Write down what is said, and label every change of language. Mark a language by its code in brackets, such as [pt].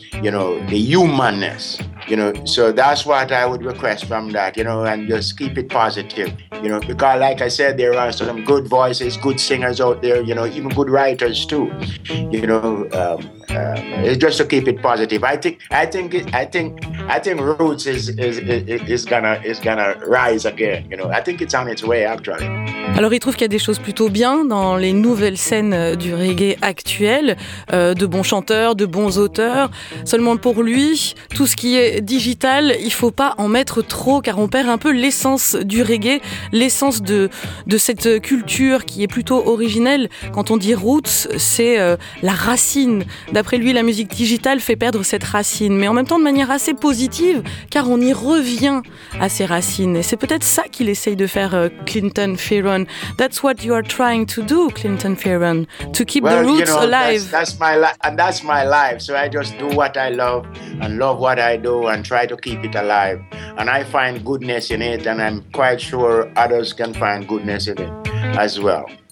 [en] You know, the humanness, you know, so that's what I would request from that, you know, and just keep it positive, you know, because like I said, there are some good voices, good singers out there, you know, even good writers too, you know, it's just to keep it positive. I think roots is gonna rise again, you know. I think it's on its way actually. [fr] Alors, il trouve qu'il y a des choses plutôt bien dans les nouvelles scènes du reggae actuel, de bons chanteurs, de bons auteurs. Seulement pour lui, tout ce qui est digital, il ne faut pas en mettre trop car on perd un peu l'essence du reggae, l'essence de cette culture qui est plutôt originelle. Quand on dit roots, c'est la racine. D'après lui, la musique digitale fait perdre cette racine, mais en même temps de manière assez positive car on y revient à ses racines. Et c'est peut-être ça qu'il essaye de faire, Clinton Fearon. [en] That's what you are trying to do, Clinton Fearon, to keep the roots alive. That's my life. So I just do what I love and love what I do and try to keep it alive. And I find goodness in it, and I'm quite sure others can find goodness in it as well.